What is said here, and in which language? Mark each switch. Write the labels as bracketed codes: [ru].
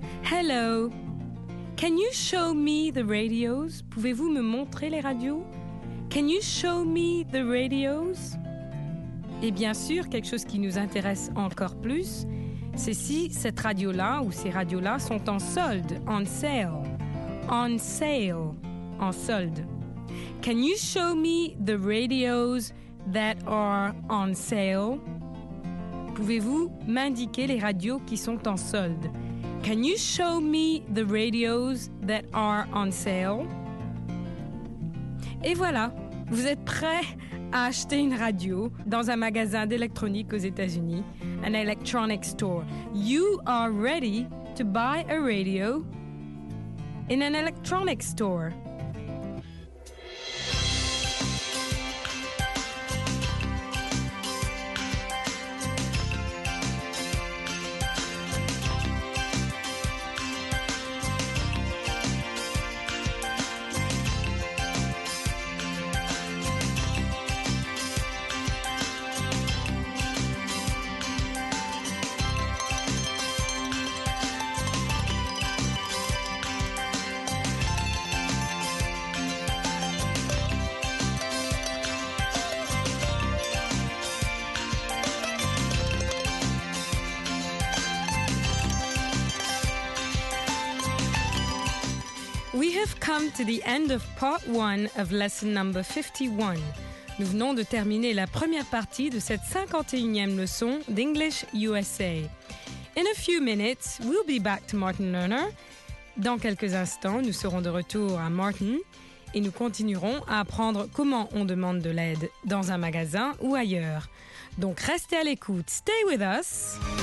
[en] Hello, can you show me the radios? [fr] Pouvez-vous me montrer les radios? [en] Can you show me the radios? [fr] Et bien sûr, quelque chose qui nous intéresse encore plus, c'est si cette radio-là ou ces radios-là sont en solde, [en] on sale. On sale, [fr] en solde. [en] Can you show me the radios that are on sale? [fr] Pouvez-vous m'indiquer les radios qui sont en solde? [en] Can you show me the radios that are on sale? [fr] Et voilà! Vous êtes prêt à acheter une radio dans un magasin d'électronique aux États-Unis, [en] an electronic store. You are ready to buy a radio in an electronic store. We have come to the end of part one of lesson number 51. [fr] Nous venons de terminer la première partie de cette 51e leçon d'English USA. [en] In a few minutes, we'll be back to Martin Lerner. [fr] Dans quelques instants, nous serons de retour à Martin et nous continuerons à apprendre comment on demande de l'aide dans un magasin ou ailleurs. Donc restez à l'écoute. [en] Stay with us!